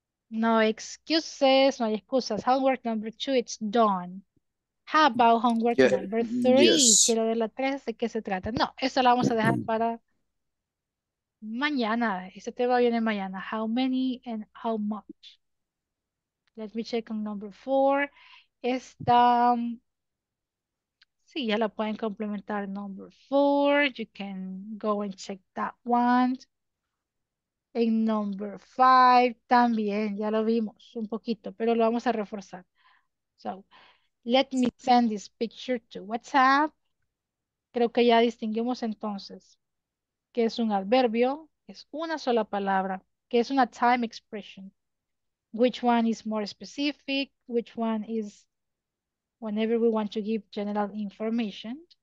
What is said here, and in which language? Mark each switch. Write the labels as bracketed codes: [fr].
[en] No excuses, [es] no hay excusas. [en] Homework number two, it's done. How about homework number three? [es] Quiero ver la tres, ¿de qué se trata? No, eso lo vamos a dejar para mañana. Ese tema viene mañana. [en] How many and how much? Let me check on number four. [es] Esta, sí, ya la pueden complementar. [en] Number four, you can go and check that one. [es] En [en] number five, [es] también, ya lo vimos un poquito, pero lo vamos a reforzar. [en] So, let me send this picture to WhatsApp. [es] Creo que ya distinguimos entonces que es un adverbio, es una sola palabra, que es una time expression. [en] Which one is more specific? Which one is whenever we want to give general information?